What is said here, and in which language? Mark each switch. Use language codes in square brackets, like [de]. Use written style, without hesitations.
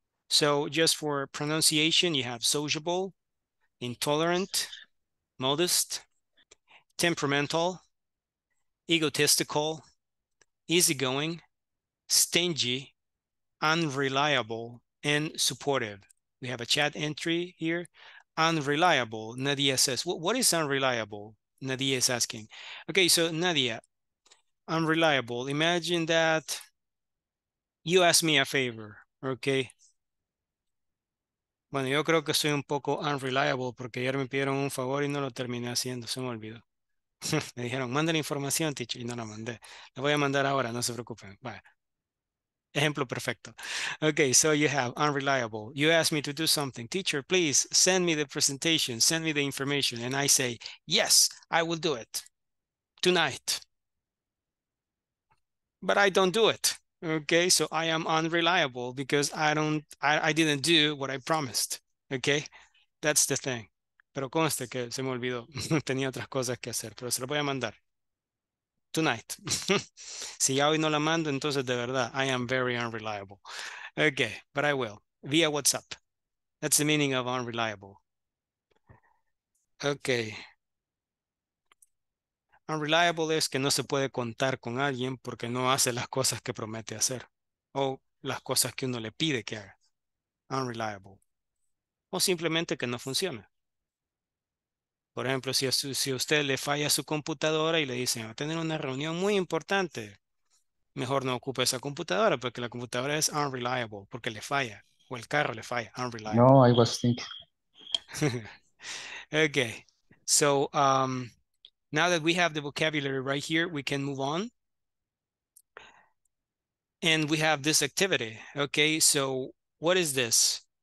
[en] So just for pronunciation, you have sociable, intolerant, modest, temperamental, egotistical, easygoing, stingy, unreliable, and supportive. We have a chat entry here. Unreliable, Nadia says. What is unreliable? Nadia is asking. Okay, so Nadia, unreliable. Imagine that you ask me a favor, okay? [es] Bueno, yo creo que soy un poco unreliable porque ayer me pidieron un favor y no lo terminé haciendo. Se me olvidó. Me dijeron, manda la información, teacher, y no la mandé. La voy a mandar ahora, no se preocupen. [en] Bye. [es] Ejemplo perfecto. [en] Okay, so you have unreliable. You ask me to do something. Teacher, please send me the presentation. Send me the information. And I say, yes, I will do it tonight. But I don't do it. Okay, so I am unreliable because I didn't do what I promised. Okay, that's the thing. [es] Pero conste que se me olvidó. Tenía otras cosas que hacer, pero se lo voy a mandar. [en] Tonight. [es] Si ya hoy no la mando, entonces de verdad, [en] I am very unreliable. Okay, but I will. Via WhatsApp. That's the meaning of unreliable. Okay. [es] Unreliable es que no se puede contar con alguien porque no hace las cosas que promete hacer. O las cosas que uno le pide que haga. Unreliable. O simplemente que no funciona. Por ejemplo, si usted le falla su computadora y le dicen, va a tener una reunión muy importante, mejor no ocupe esa computadora porque la computadora es unreliable, porque le falla, o el carro le falla, unreliable. [en] No, I was thinking. Okay, so now that we have the vocabulary right here, we can move on. And we have this activity, okay, so what is this?